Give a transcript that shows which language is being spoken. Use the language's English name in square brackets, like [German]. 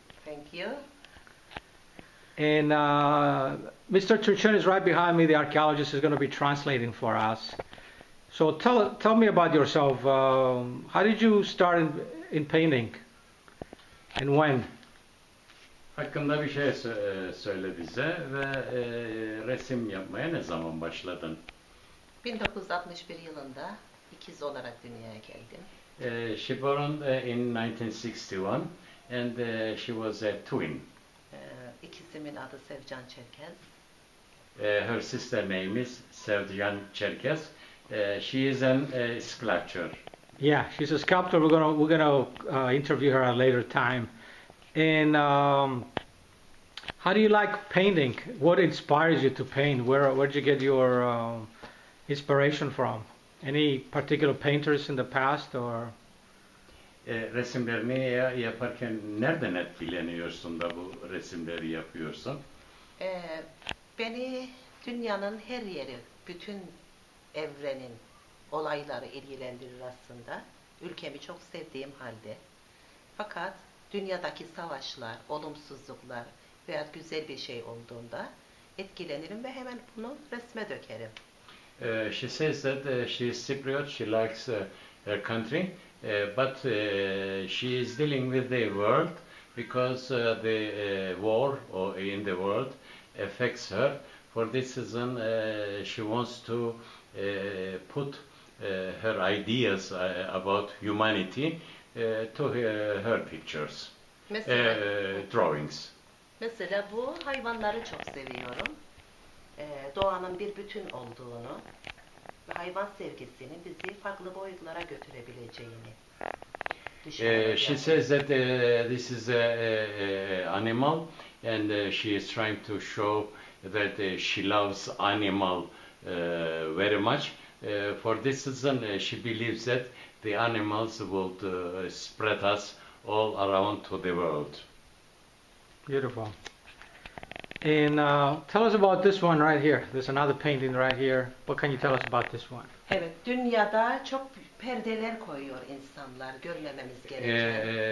[English] Thank you. And Mr. Turçin is right behind me. The archaeologist is going to be translating for us. So tell me about yourself. How did you start in painting, and when? [Turkish] Hakkında bir şey söyle bize ve resim yapmaya ne zaman başladın? 1961 yılında ikiz olarak dünyaya geldim. [English] She born in 1961 and she was a twin. [Turkish] İkizimin adı Sevcan Çerkez. [English] Her sister name is Sevcan Çerkez. She is an sculptor. Yeah, she's a sculptor. We're gonna interview her at a later time. And how do you like painting? What inspires you to paint? Where did you get your inspiration from? Any particular painters in the past or? [Turkish] Resimlerini yaparken nereden etkileniyorsun da bu resimleri yapıyorsun? Beni dünyanın her yeri, bütün evrenin olayları ilgilendirir aslında. Ülkemi çok sevdiğim halde. Fakat dünyadaki savaşlar, olumsuzluklar veya güzel bir şey olduğunda etkilenirim ve hemen bunu resme dökerim. [English] She says that she is Cypriot, she likes her country, but she is dealing with the world because the war in the world affects her. For this season, she wants to put her ideas about humanity to her pictures, drawings. [Turkish] Mesela bu hayvanları çok seviyorum. Doğanın bir bütün olduğunu ve hayvan sevgisini bizi farklı boyutlara götürebileceğini düşünüyorum. [English] She says that this is an animal and she is trying to show that she loves animal very much. For this season, she believes that the animals would spread us all around to the world. Beautiful. And tell us about this one right here. There's another painting right here. What can you tell us about this one? [Turkish] Evet, dünyada çok perdeler koyuyor insanlar, görmememiz gereken.